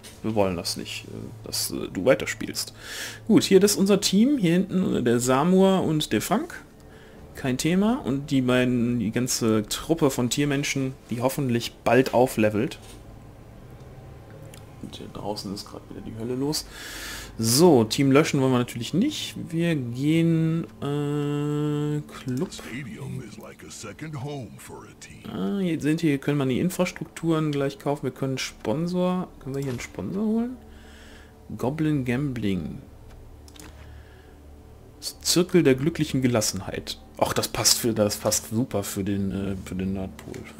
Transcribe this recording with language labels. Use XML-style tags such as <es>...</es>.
<de>wir wollen das nicht, dass du weiterspielst. Gut, hier, das ist unser Team, hier hinten der Samur und der Frank. Kein Thema. Und die beiden, die ganze Truppe von Tiermenschen, die hoffentlich bald auflevelt. Und hier draußen ist gerade wieder die Hölle los. So, Team löschen wollen wir natürlich nicht. Wir gehen Club.</de> <en>Stadium is like a second home for a team.</en> <de>Ah, jetzt sind hier, können wir die Infrastrukturen gleich kaufen. Wir können Sponsor. Können wir hier einen Sponsor holen? Goblin Gambling. Zirkel der glücklichen Gelassenheit. Ach, das passt super für den Nordpol.</de>